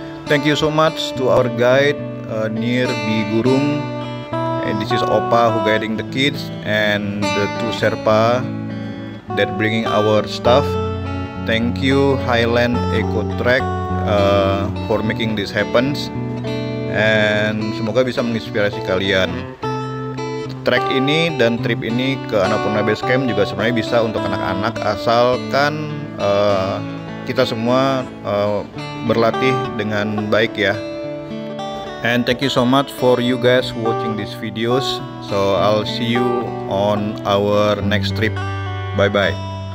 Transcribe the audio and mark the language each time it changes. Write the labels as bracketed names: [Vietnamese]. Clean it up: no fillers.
[English] Thank you so much to our guide, Nir B. Gurung. And this is Opa who guiding the kids. And the two Sherpa that bringing our stuff. Thank you Highland Eco Trek for making this happens. [Indonesian] And semoga bisa menginspirasi kalian. Trek ini dan trip ini ke Annapurna Base Camp juga sebenarnya bisa untuk anak-anak, asalkan kita semua berlatih dengan baik ya. [English] And thank you so much for you guys watching these videos. So I'll see you on our next trip. Bye-bye.